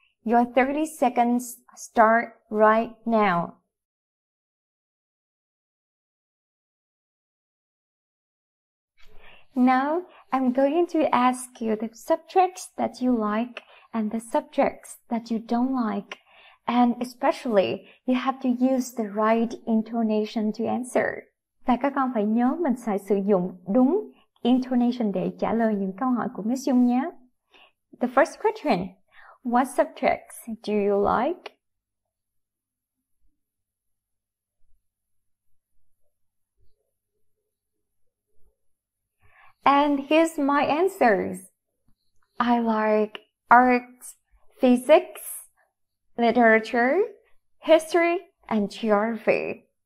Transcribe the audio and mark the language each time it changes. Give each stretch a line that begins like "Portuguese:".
English: Your 30 seconds start right now. Now I'm going to ask you the subjects that you like and the subjects that you don't like. And especially, you have to use the right intonation to answer.
Vietnamese: Và các con phải nhớ mình phải sử dụng đúng intonation để trả lời những câu hỏi của Miss Dung nhé.
English: The first question, what subjects do you like? And here's my answers. I like arts, physics, literature, history, and geography.